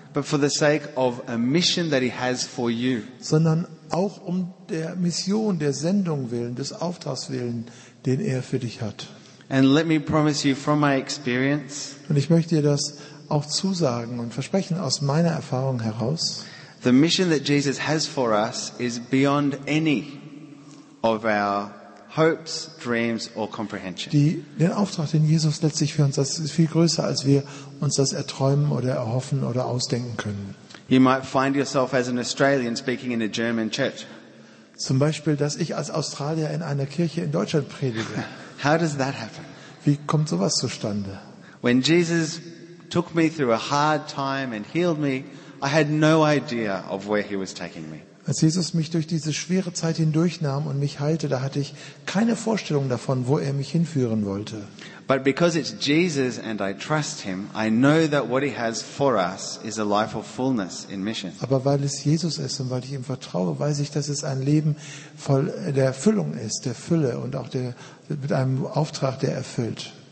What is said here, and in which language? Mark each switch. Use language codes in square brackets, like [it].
[en] but for the sake of a mission that he has for you, [de] sondern auch um der Mission, der Sendung willen, des Auftrags willen, den er für dich hat. [en] And let me promise you from my experience, [de] und ich möchte dir das auch zusagen und versprechen aus meiner Erfahrung heraus. [en] The mission that Jesus has for us is beyond any of our hopes, dreams or comprehension. [de] Den Auftrag, den Jesus letztlich für uns hat, ist viel größer, als wir uns das erträumen oder erhoffen oder ausdenken können. [en] You might find yourself as an Australian speaking in a German church. [de] Zum Beispiel, dass ich als Australier in einer Kirche in Deutschland predige. [en] How does that happen? [de] Wie kommt sowas zustande? [en] When Jesus took me through a hard time and healed me, I had no idea of where he was taking me. [de] Als Jesus mich durch diese schwere Zeit hindurchnahm und mich heilte, da hatte ich keine Vorstellung davon, wo er mich hinführen wollte. [en] But because it's Jesus and I trust him, I know that what he has for us is a life of fullness in mission. [de] Aber weil es Jesus ist und weil ich ihm vertraue, weiß ich, dass es ein Leben voll der Erfüllung ist, der Fülle und auch der mit einem Auftrag, der erfüllt.